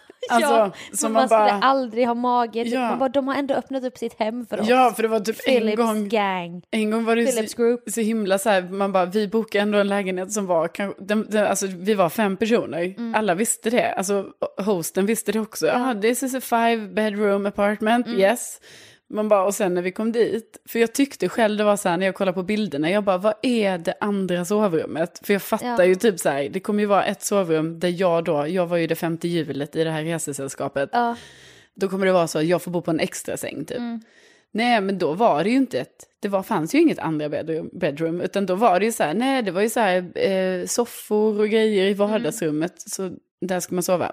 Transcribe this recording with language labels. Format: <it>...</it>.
<sv>Alltså, ja, som man bara, skulle aldrig ha mage, ja, man bara, de har ändå öppnat upp sitt hem för oss. Ja, för det var typ Philips en gång, gang. En gång var det Philips Group. Så himla så här, man bara, vi bokade ändå en lägenhet som var, alltså vi var 5 personer, mm, alla visste det, alltså hosten visste det också.</sv> <en>Ja, this is a 5-bedroom apartment, mm, yes.</en> <sv>Man bara, och sen när vi kom dit, för jag tyckte själv det var så här, när jag kollade på bilderna, jag bara, vad är det andra sovrummet? För jag fattar, ja, ju typ så här, det kommer ju vara ett sovrum där jag var ju det femte hjulet i det här resesällskapet. Ja. Då kommer det vara så, jag får bo på en extra säng typ. Mm. Nej, men då var det ju inte ett, fanns ju inget andra bedroom, utan då var det ju så här, nej, det var ju så här, soffor och grejer i vardagsrummet, mm, så där ska man sova.</sv>